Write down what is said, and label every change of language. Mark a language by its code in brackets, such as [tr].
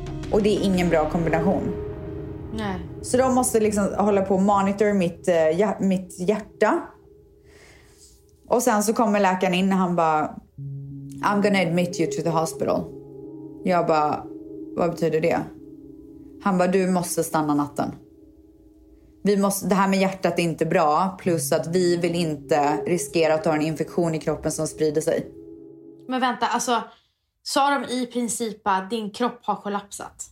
[sv] Och det är ingen bra kombination. Nej. Så de måste liksom hålla på och monitor mitt hjärta. Och sen så kommer läkaren in och han bara... [en] I'm gonna admit you to the hospital. [sv] Jag bara, vad betyder det? Han bara, du måste stanna natten. Vi måste, det här med hjärtat är inte bra. Plus att vi vill inte riskera att ha en infektion i kroppen som sprider sig. Men vänta, alltså, sa de i princip att din kropp har kollapsat?